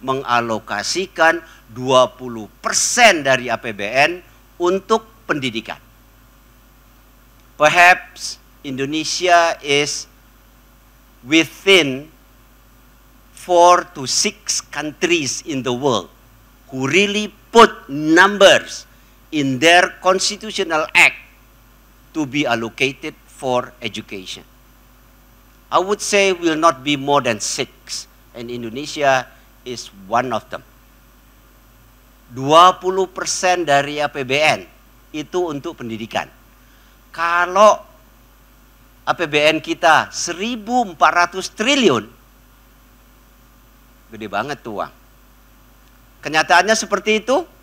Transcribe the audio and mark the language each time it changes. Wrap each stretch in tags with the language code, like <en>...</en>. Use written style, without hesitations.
<id>mengalokasikan 20% dari APBN untuk pendidikan.</id> <en>Perhaps Indonesia is within 4 to 6 countries in the world who really put numbers in their constitutional act to be allocated for education. I would say we'll not be more than 6, and Indonesia is one of them.</en> <id>20% dari APBN itu untuk pendidikan. Kalau APBN kita 1.400 triliun, gede banget tuh uang. Kenyataannya seperti itu?</id>